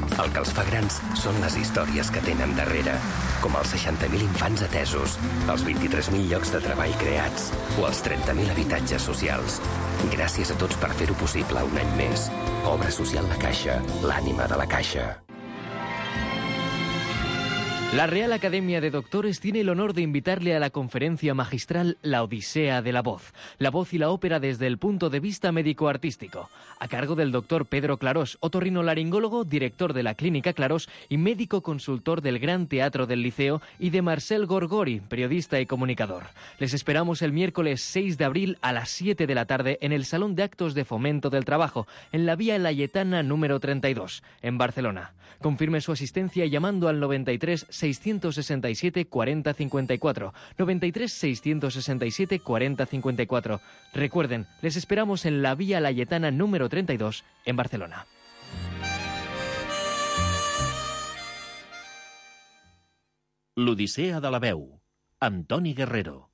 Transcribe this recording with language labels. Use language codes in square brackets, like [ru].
[ca] El que els fa grans són les històries que tenen darrere. Com els 60.000 infants atesos, els 23.000 llocs de treball creats o els 30.000 habitatges socials. Gràcies a tots per fer-ho possible un any més. Obra Social La Caixa, l'ànima de la Caixa. [es] La Real Academia de Doctores tiene el honor de invitarle a la conferencia magistral La Odisea de la voz y la ópera desde el punto de vista médico-artístico, a cargo del doctor Pedro Clarós, otorrinolaringólogo, director de la Clínica Clarós y médico consultor del Gran Teatro del Liceo, y de Marcel Gorgori, periodista y comunicador. Les esperamos el miércoles 6 de abril a las 7 de la tarde en el Salón de Actos de Fomento del Trabajo, en la Vía Layetana número 32, en Barcelona. Confirme su asistencia llamando al 93-667-4054, 93-667-4054. Recuerden, les esperamos en la Vía Layetana número 32, en Barcelona. [ca] L'Odissea de la veu, amb Toni Guerrero.